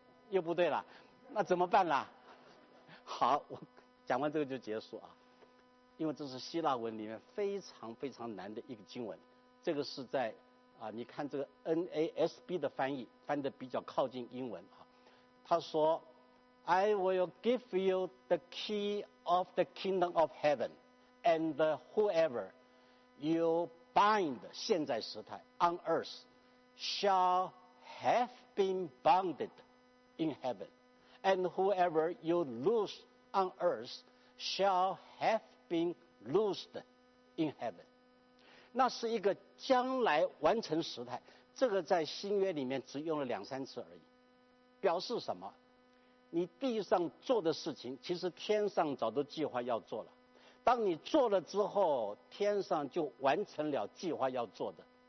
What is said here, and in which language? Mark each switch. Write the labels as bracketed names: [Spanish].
[Chinese] 又不对了，那怎么办啦？好，我讲完这个就结束啊，因为这是希腊文里面非常非常难的一个经文，这个是在啊，你看这个 NASB 的翻译翻得比较靠近英文啊。 [English] 他说 I will give you the key of the kingdom of heaven and whoever you bind [Chinese] 现在时态 [English] on earth shall have been bounded in heaven and whoever you loose on earth shall have been loosed in heaven. [Chinese] 那是一个将来完成时态，这个在新约里面只用了两三次而已。表示什么？你地上做的事情，其实天上早都计划要做了。当你做了之后，天上就完成了计划要做的。